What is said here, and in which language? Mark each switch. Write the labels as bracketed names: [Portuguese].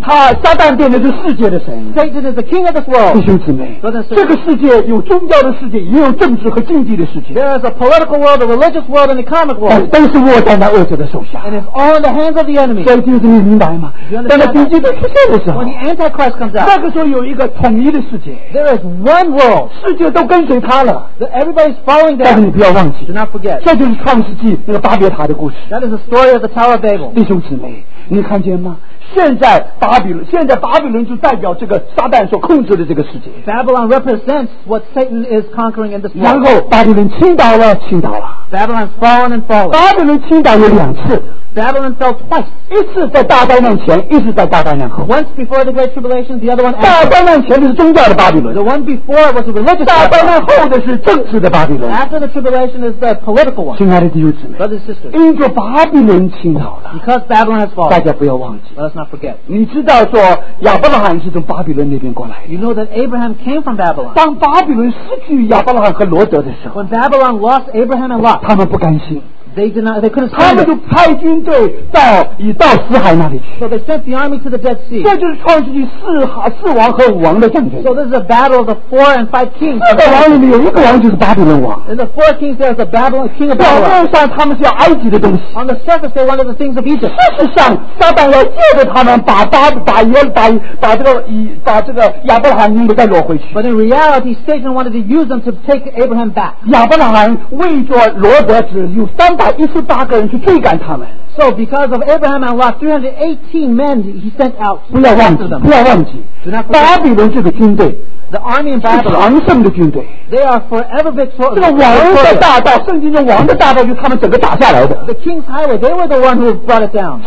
[Chinese] 他撒旦变成是世界的神。 [English] Satan is the king of this world. [Chinese] 弟兄姊妹，这个世界有宗教的世界，也有政治和经济的世界。 [English] There is a political world, a religious world, and a economic world. [Chinese] 但都是握在那恶者的手下。 [English] And it's all in the hands of the enemy. [Chinese] 所以弟兄姊妹明白吗？当那敌基督出现的时候 [English] ，When the Antichrist comes out, [Chinese] 那个时候有一个统一的世界。 [English] There is one world. [Chinese] 世界都跟随他了。 [English] Everybody's following them. [Chinese] 但是你不要忘记 [English] Do not forget. [Chinese] 这就是创世纪那个巴别塔的故事 [English] That is the story of the Tower of Babel. [Chinese] 弟兄姊妹，你看见吗？现在巴比伦就代表这个撒旦所控制的这个世界。 [English] Babylon represents what Satan is conquering in this world. [Chinese] 然后巴比伦倾倒了，倾倒了。 [English] Babylon's fallen and fallen. [Chinese] 巴比伦倾倒有两次。 [English] Babylon fell twice. [Chinese] 一次在大灾难前，一次在大灾难后。 [English] Once before the great tribulation, the other one after. [Chinese] 大灾难前的是宗教的巴比伦。 [English] The one before was a religious. [Chinese] 大灾难后的是政治的巴比伦。 [English] After the tribulation is the political one. [Chinese] 亲爱的弟兄姊妹 [English] ，Brothers and sisters, [Chinese] 因着巴比伦倾倒了 [English] ，Because Babylon has fallen. [Chinese] 大家不要忘记。 [English] Let's not forget. [Chinese] 你知道说亚伯拉罕是从巴比伦那边过来的。 [English] You know that Abraham came from Babylon. [Chinese] 当巴比伦失去亚伯拉罕和罗德的时候 [English] ，When Babylon lost Abraham and Lot, [Chinese] 他们不甘心。 [English] They did not. They couldn't. [Chinese] 他们就派军队到死海那里去。 [English] So they sent the army to the Dead Sea. [Chinese] 这就是创世纪四王和五王的战争。 [English] So this is a battle of the four and five kings. [Chinese] 四个王里面有一个王就是巴比伦王。 [English] In the four kings, there's a Babylon king of Babylon. [Chinese] 表面上他们是要埃及的东西。 [English] On the surface, they wanted the things of Egypt. [Chinese] 事实上，撒旦要借着他们把这个亚伯拉罕能够再挪回去。 [English] But in reality, Satan wanted to use them to take Abraham back. [Chinese] 亚伯拉罕为着罗德只有三百。 118个人去追赶他们。 [English] So because of Abraham and Lot, 318 men he sent out. [Chinese] 不要忘记，不要忘记。巴比伦这个军队。 [English] The army in Babylon. [Chinese] 是强盛的军队。 [English] They are forever victorious. [Chinese] 这个王的大道，圣经中王的大道就是他们整个打下来的。 [English] The king's highway, they were the one who brought it down.